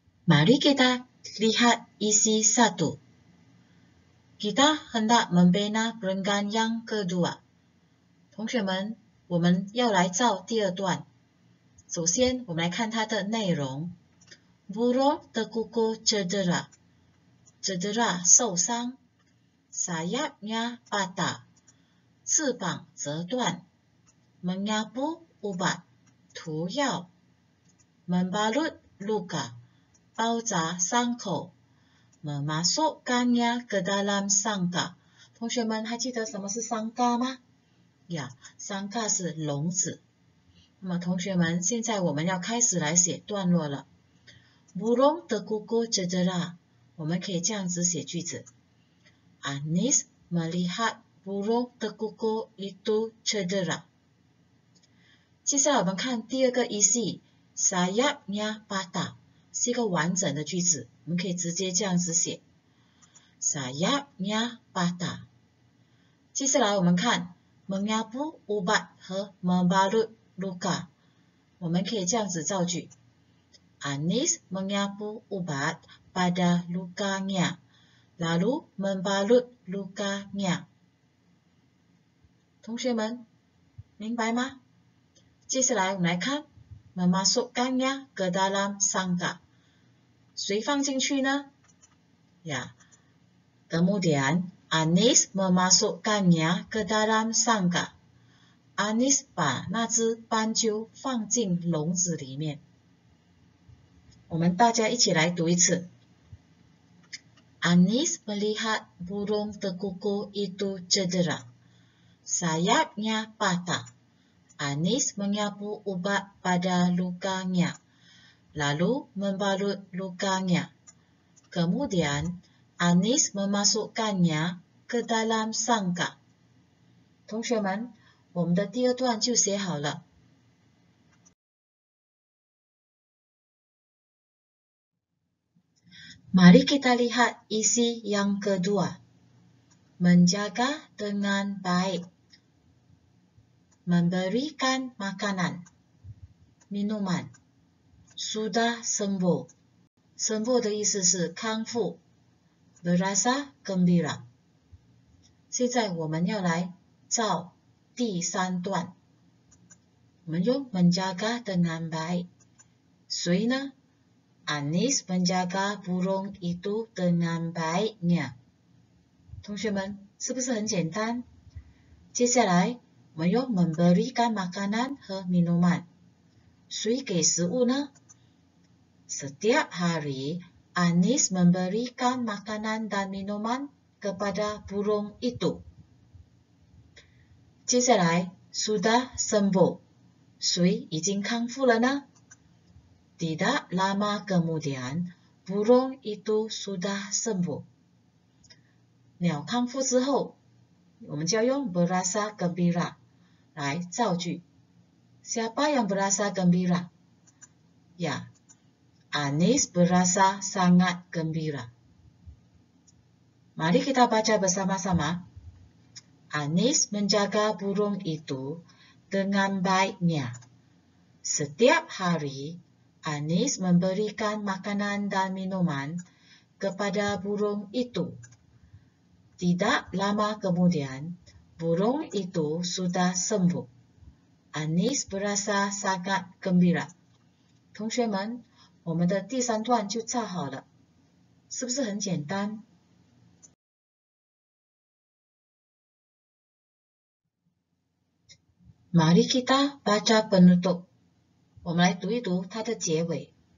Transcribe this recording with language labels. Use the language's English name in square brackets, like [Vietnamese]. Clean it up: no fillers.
[Malay] Mari kita lihat isi satu. Kita hendak membina renggan yang kedua. [Chinese] 同学们，我们要来造第二段。首先，我们来看它的内容。 [Malay] Burung terkuku cedera。 Cedera [Chinese] 受伤 [Malay] ，sayapnya patah [Chinese] 翅膀折断 [Malay] ，mengapu ubat [Chinese] 涂药 [Malay] ，membalut luka [Chinese] 包扎伤口 [Malay] ，memasukkannya ke dalam sangka。 [Chinese] 同学们还记得什么是伤疤吗？呀，伤疤是笼子。那么同学们，现在我们要开始来写段落了。 [Malay] Burung terkuku cedera。 [Chinese] 我们可以这样子写句子： [Malay] Anis melihat burung terkuku itu cedera。 [Chinese] 接下来我们看第二个 [Malay] isi sayapnya patah [Chinese] 是一个完整的句子，我们可以直接这样子写 [Malay] sayapnya patah。 [Chinese] 接下来我们看 [Malay] mengapu ubat [Chinese] 和 [Malay] membalut luka， [Chinese] 我们可以这样子造句： [Malay] Anis mengapu ubat。 pada lukanya, lalu membalut lukanya。 [Chinese] 同学们，明白吗？接下来我们来看 ， [Malay] memasukkannya ke dalam sangka， [Chinese] 谁放进去呢？呀 ， [Malay] kemudian Anis memasukkannya ke dalam sangka， [Chinese] Anis 把那只斑鸠放进笼子里面。我们大家一起来读一次。 [Malay] Anis melihat burung terkuku itu cedera. Sayapnya patah. Anis menyapu ubat pada lukanya. Lalu membalut lukanya. Kemudian, Anis memasukkannya ke dalam sangka. [Chinese] 同学们，我们的第二段就写好了。 [Malay] Mari kita lihat isi yang kedua. Menjaga dengan baik. Memberikan makanan. Minuman. Sudah sembuh. [Chinese] Sembuh 的意思是康复。 [Malay] Berasa gembira. [Chinese] 现在我们要来造第三段。我们用 [Malay] menjaga dengan baik. [Chinese] 谁呢？ [Malay] Anis menjaga burung itu dengan baiknya. [Chinese] 同学们，是不是很简单？接下来, 我们要 [Malay] memberikan makanan dan minuman. [Chinese] 谁给食物呢? [Malay] Setiap hari, Anis memberikan makanan dan minuman kepada burung itu. [Chinese] 接下来, [Malay] sudah sembuh. [Chinese] 谁已经康复了呢? [Malay] Tidak lama kemudian, burung itu sudah sembuh. [Chinese] 鸟康复之后, 我们就要用 [Malay] berasa gembira [Chinese] 来造句。 [Malay] Siapa yang berasa gembira? Ya, Anis berasa sangat gembira. Mari kita baca bersama-sama. Anis menjaga burung itu dengan baiknya. Setiap hari, Anis memberikan makanan dan minuman kepada burung itu. Tidak lama kemudian, burung itu sudah sembuh. Anis berasa sangat gembira. [Chinese] 同学们, 我们的第三段就造好了。是不是很简单? 马里基达 [Malay] baca penutup. [Chinese] 我们来读一读它的结尾.